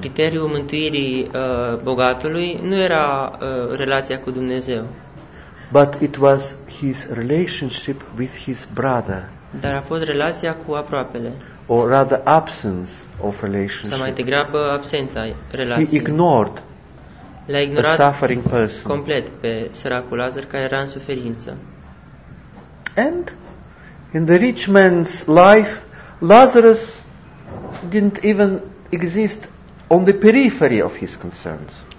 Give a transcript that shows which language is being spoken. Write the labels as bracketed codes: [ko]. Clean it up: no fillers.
[ro] Criteriul mântuirii bogatului nu era relația cu Dumnezeu. [en] But it was his relationship with his brother. [ro] Dar a fost relația cu aproapele. [en] Or rather absence of relationship. [ro] Sau mai degrabă absența relației. [en] He ignored. [ro] L-a ignorat [en] a suffering person. [ro] Complet pe săracul Lazar care era în suferință. [en] And in the rich man's life, Lazarus didn't even exist on the periphery of his concerns.